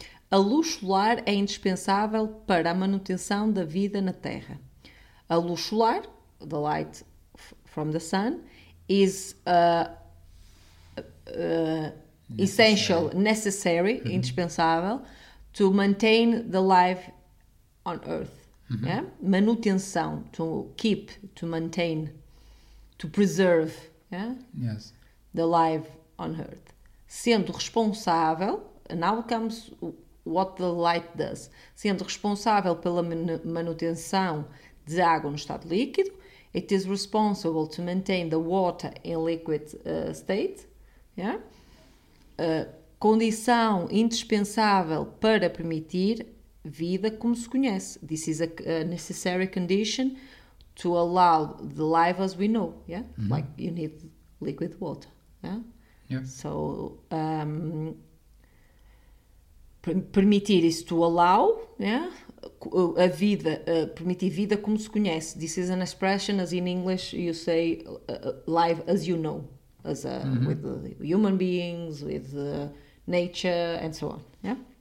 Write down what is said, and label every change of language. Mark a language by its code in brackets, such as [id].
[pt] A luz solar é indispensável para a manutenção da vida na Terra. A luz solar, [en] the light from the sun, is essential, necessary, mm-hmm, indispensável, to maintain the life on Earth. Mm-hmm. Yeah? Manutenção, to keep, to maintain, to preserve, yeah? Yes. The life on Earth. Sendo responsável, now comes what the light does, [pt] sendo responsável pela manutenção de água no estado líquido, [en] it is responsible to maintain the water in liquid state, yeah? [pt] Condição indispensável para permitir vida como se conhece. [en] This is a necessary condition to allow the life as we know, yeah? Mm-hmm. Like you need liquid water, yeah? Yeah. So, permitir is to allow, yeah? [pt] A vida, permitir vida como se conhece. [en] This is an expression, as in English, you say life as you know, as a, mm-hmm. with human beings, with nature, and so on, yeah?